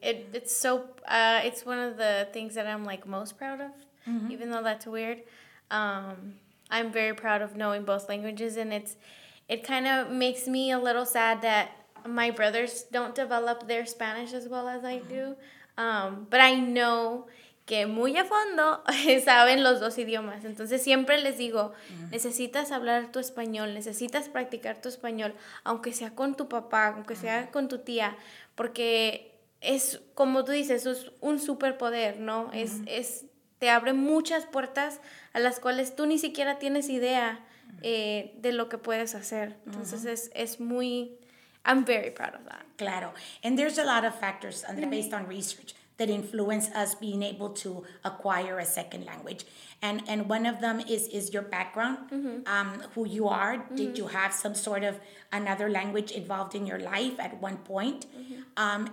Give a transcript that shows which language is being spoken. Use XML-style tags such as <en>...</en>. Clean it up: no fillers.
<en>It's so, it's one of the things that I'm like most proud of, mm-hmm. even though that's weird. I'm very proud of knowing both languages, and it kind of makes me a little sad that my brothers don't develop their Spanish as well as I do. But I know</en> <es>que muy a fondo saben los dos idiomas. Entonces siempre les digo, necesitas hablar tu español, necesitas practicar tu español, aunque sea con tu papá, aunque sea con tu tía, porque es, como tú dices, es un superpoder, ¿no? Uh-huh. Es te abre muchas puertas a las cuales tú ni siquiera tienes idea de lo que puedes hacer.</es> <en>Entonces uh-huh.</en> <es>es muy,</es> <en>I'm very proud of that.</en> <es>Claro.</es> <en>And there's a lot of factors and they're based on research that influence us being able to acquire a second language. And one of them is your background, mm-hmm. Who you are. Mm-hmm. Did you have some sort of another language involved in your life at one point? Mm-hmm.</en>